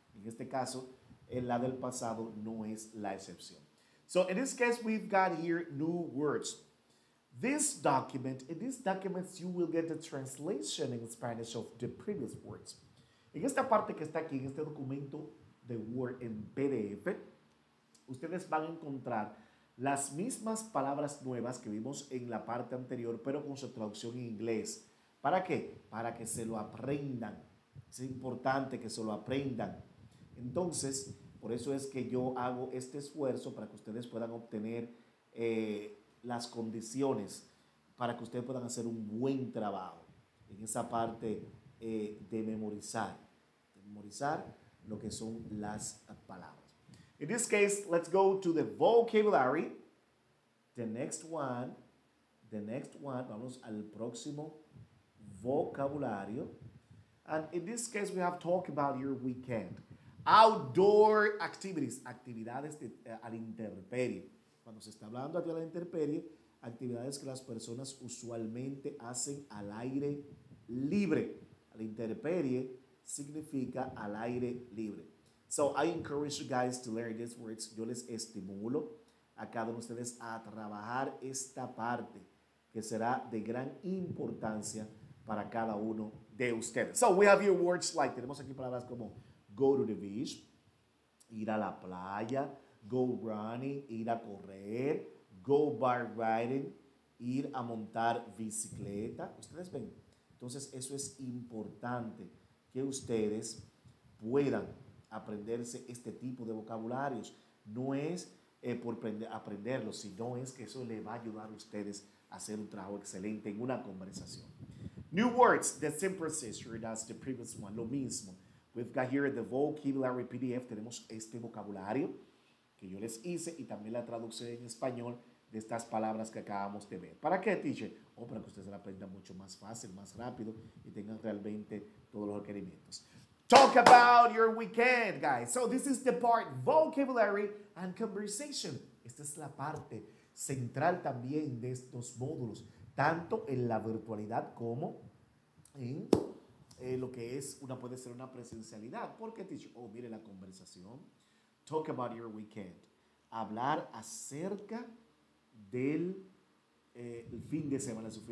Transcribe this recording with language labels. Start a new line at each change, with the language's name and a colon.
Spanish: En este caso, en la del pasado no es la excepción.
English: So, in this case, we've got here new words. In this document, you will get the translation in Spanish of the previous words.
Spanish: En esta parte que está aquí, en este documento de Word en PDF, ustedes van a encontrar las mismas palabras nuevas que vimos en la parte anterior, pero con su traducción en inglés. ¿Para qué? Para que se lo aprendan. Es importante que se lo aprendan. Entonces, por eso es que yo hago este esfuerzo para que ustedes puedan obtener las condiciones para que ustedes puedan hacer un buen trabajo en esa parte de memorizar lo que son las palabras.
English: In this case, let's go to the vocabulary. The next one,
Spanish: vamos al próximo vocabulario.
English: And in this case, we have talked about your weekend. Outdoor activities,
Spanish: actividades de, al intemperie. Cuando se está hablando aquí a la intemperie, actividades que las personas usualmente hacen al aire libre. Al intemperie significa al aire libre.
English: So I encourage you guys to learn these words.
Spanish: Yo les estimulo a cada uno de ustedes a trabajar esta parte que será de gran importancia para cada uno de ustedes.
English: So we have your words like,
Spanish: tenemos aquí palabras como
English: go to the beach,
Spanish: ir a la playa,
English: go running,
Spanish: ir a correr,
English: go bike riding,
Spanish: ir a montar bicicleta. Ustedes ven. Entonces, eso es importante que ustedes puedan aprenderse este tipo de vocabularios. No es por aprenderlo, sino es que eso le va a ayudar a ustedes a hacer un trabajo excelente en una conversación.
English: New words, the same procedure as the previous one,
Spanish: lo mismo.
English: We've got here the vocabulary PDF.
Spanish: Tenemos este vocabulario que yo les hice y también la traducción en español de estas palabras que acabamos de ver. ¿Para qué, teacher? Oh, para que ustedes la aprendan mucho más fácil, más rápido y tengan realmente todos los requerimientos.
English: Talk about your weekend, guys. So this is the part vocabulary and conversation.
Spanish: Esta es la parte central también de estos módulos, tanto en la virtualidad como en lo que es una, puede ser una presencialidad. ¿Por qué, teacher? Oh, mire la conversación.
English: Talk about your weekend.
Spanish: Hablar acerca del fin de semana.